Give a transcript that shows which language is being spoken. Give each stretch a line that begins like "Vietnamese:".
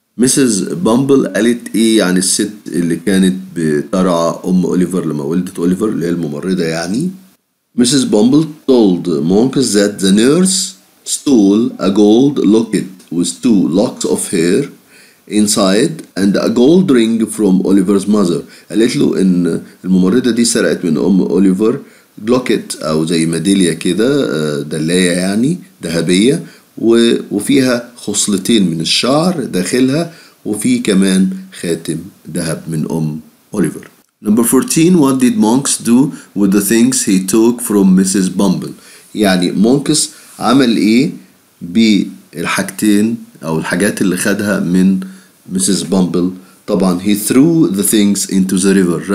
Arabic: Mrs. Bumble قالت ايه يعني الست اللي كانت بترعى ام اوليفر لما ولدت اوليفر اللي هي الممرضة يعني. Mrs.
English: Bumble told Monk that the nurse stole a gold locket with two locks of hair inside and a gold ring from Oliver's mother.
Arabic: قالت له ان الممرضة دي سرقت من ام اوليفر لوكت او زي ميدالية كده دلاية يعني ذهبية وفيها خصلتين من الشعر داخلها وفي كمان خاتم ذهب من ام اوليفر.
English: Number 14, what did Monks do with the things he took from Mrs.
Arabic: Bumble? يعني Monks عمل ايه بالحاجتين او الحاجات اللي خدها من Mrs.
English: Bumble؟ طبعا he threw the things into the river.